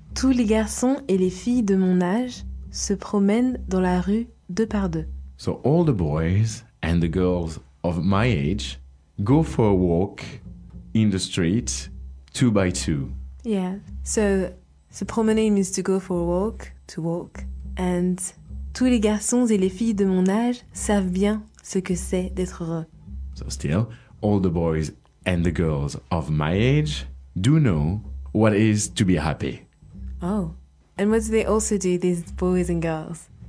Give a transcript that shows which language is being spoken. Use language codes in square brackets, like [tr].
[fr] Tous les garçons et les filles de mon âge se promènent dans la rue deux par deux. [en] So all the boys and the girls of my age go for a walk in the street two by two. Yeah. So se promener means to go for a walk, to walk. [fr] And tous les garçons et les filles de mon âge savent bien ce que c'est d'être heureux. [en] So still, all the boys and the girls of my age do know what it is to be happy. Oh, and what do they also do, these boys and girls?